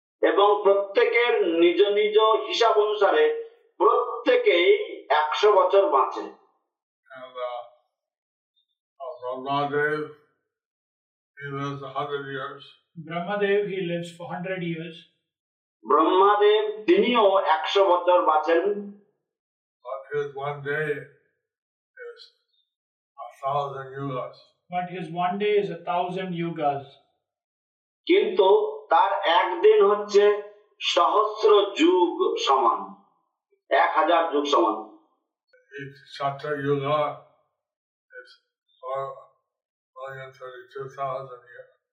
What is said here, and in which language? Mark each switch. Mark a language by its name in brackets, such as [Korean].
[Bangla] এবং প্রত্যেকের নিজ নিজ হিসাব অনুসারে প্রত্যেকেই 100 বছর বাঁচে। [English] Brahmadev, he lives for 100 years. [Bangla] Brahmadev তিনিও 100 বছর বাঁচেন। [English] But his one day is 1,000 yugas. But his one day is 1,000 yugas. [Bangla] কিন্তু তার একদিন হচ্ছে সহস্র যুগ সমান, 1,000 যুগ সমান। [English] His chatur yuga is 432,000 years.